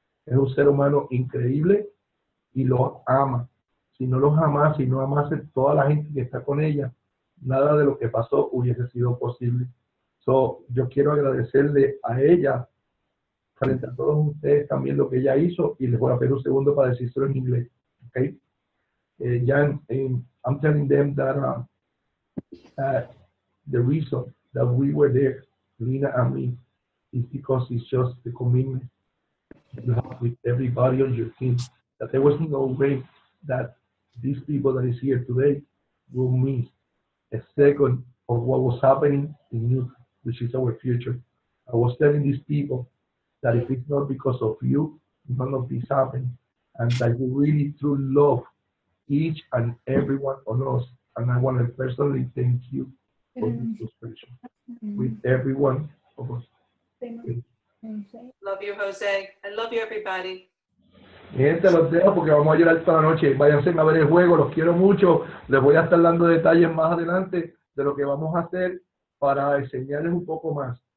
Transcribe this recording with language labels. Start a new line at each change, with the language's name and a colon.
Spanish: Es un ser humano increíble y lo ama. Si no los ama, si no amase toda la gente que está con ella, nada de lo que pasó hubiese sido posible. So, yo quiero agradecerle a ella, frente a todos ustedes, también lo que ella hizo, y les voy a pedir un segundo para decirlo en inglés.
English: Okay? Jan, I'm telling them that the reason that we were there, Lina and me, is because it's just the commitment you have with everybody on your team. That there was no way that these people that is here today will miss a second of what was happening in you, which is our future. I was telling these people that if it's not because of you, none of this happened, and that you really truly love each and every one of us. And I want to personally thank you for this suspension with every one of us. Love you, Jose. I love you, everybody.
Spanish: Mi gente, los dejo porque vamos a llorar toda la noche. Váyanse a ver el juego, los quiero mucho. Les voy a estar dando detalles más adelante de lo que vamos a hacer para enseñarles un poco más.